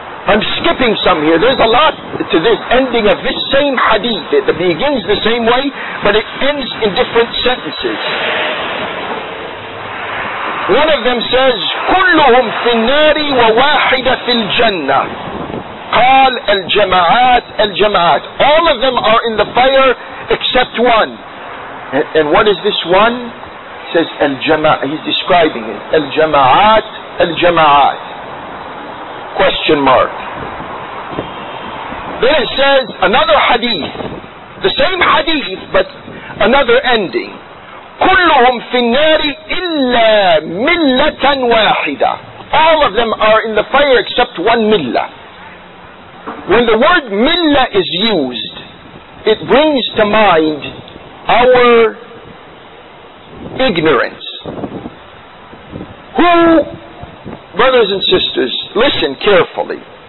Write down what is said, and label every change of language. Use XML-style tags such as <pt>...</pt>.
<en>I'm skipping some here. There's a lot to this ending of this same hadith. It begins the same way, but it ends in different sentences. One of them says,</en> <ar>كلهم في النار وواحدة في الجنة. قال الجماعات الجماعات.</ar> <en>All of them are in the fire except one. And what is this one? He says,</en> <ar>الجماعات.</ar> <en>He's describing it.</en> <ar>الجماعات الجماعات.</ar> <en>Question mark. Then it says, another hadith. The same hadith, but another ending.</en> <ar>كلهم في النار إلا ملة واحدة.</ar> <en>All of them are in the fire except one milla. When the word milla is used, it brings to mind our ignorance. Who, brothers and sisters, listen carefully.</en>